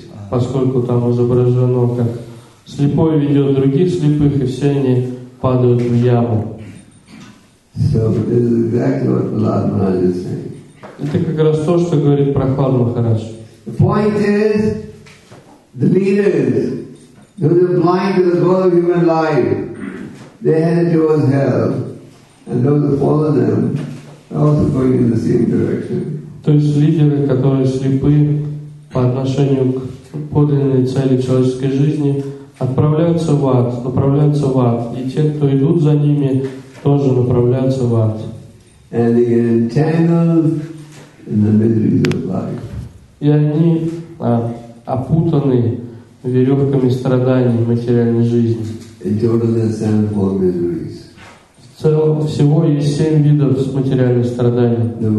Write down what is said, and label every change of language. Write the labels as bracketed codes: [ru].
[ru] Поскольку там изображено, как слепой ведет других слепых, и все они падают в яму. [en] So, this is exactly what Prahlad Maharaj is saying. [ru] Это как раз то, что говорит Прохлад Махарадж. [en] The point is, the leaders, who are blind to the goal of human life, they headed towards hell, and those who follow them are also going in the same direction. [ru] То есть лидеры, которые слепы по отношению к подлинной цели человеческой жизни, отправляются в ад, направляются в ад. И те, кто идут за ними, тоже направляются в ад. [en] And they get entangled in the miseries of life. [ru] И они опутаны веревками страданий материальной жизни. Всего есть семь видов материальных страданий.